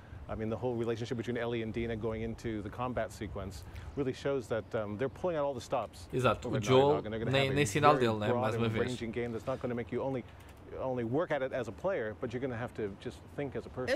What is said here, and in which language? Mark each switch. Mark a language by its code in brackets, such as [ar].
[en] I mean, the whole relationship between Ellie and Dina going into the combat sequence really shows that they're pulling out all the stops. [pt] Exato, o Joel, nem sinal dele, né, mais uma vez. [en] A ranging game that's not going to make you only work at it as a player, but you're going to have to just think as a person.